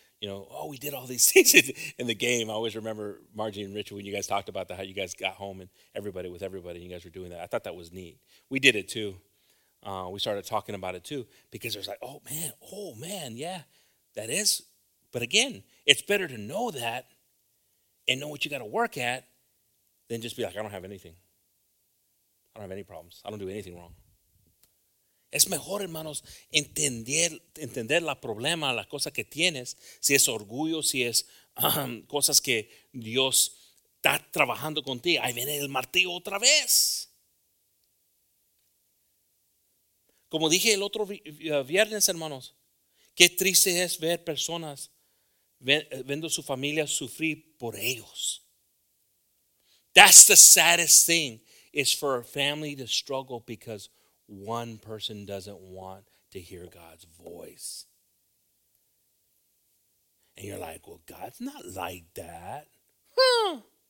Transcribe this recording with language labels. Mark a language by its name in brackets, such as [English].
[English] You know, oh, we did all these things in the game. I always remember Margie and Richard when you guys talked about that, how you guys got home and everybody with everybody, and you guys were doing that. I thought that was neat. We did it too. We started talking about it too because it was like, oh, man, yeah, that is. But again, it's better to know that and know what you got to work at then just be like, I don't have anything. I don't have any problems. I don't do anything wrong. [Spanish] Es mejor, hermanos, entender la problema, la cosa que tienes, si es orgullo, si es cosas que Dios está trabajando contigo. Ahí viene el martillo otra vez. Como dije el otro viernes, hermanos, qué triste es ver personas viendo su familia sufrir por ellos. [English] That's the saddest thing, is for a family to struggle because one person doesn't want to hear God's voice. And you're like, well, God's not like that. Huh.